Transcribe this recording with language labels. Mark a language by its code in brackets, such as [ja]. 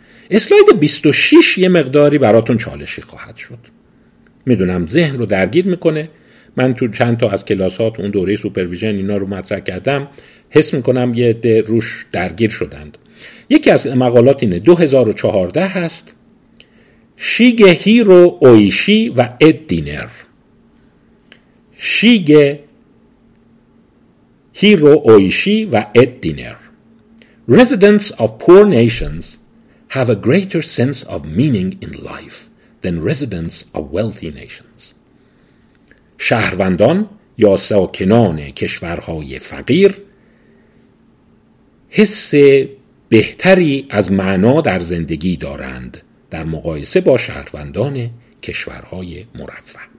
[fa] اسلاید 26 یه مقداری براتون چالشی خواهد شد، میدونم ذهن رو درگیر میکنه. من تو چند تا از کلاسات اون دوره سوپرویژن اینا رو مطرح کردم، حس میکنم یه ده روش درگیر شدند. یکی از مقالات اینه، 2014 هست، شیگه هیرو اویشی و اد دینر. [en] Shigehiro Oishi و Ed Diener: Residents of poor nations have a greater sense of meaning in life than residents of wealthy nations. [fa] شهروندان یا ساکنان کشورهای فقیر حس بهتری از معنا در زندگی دارند در مقایسه با شهروندان کشورهای مرفه.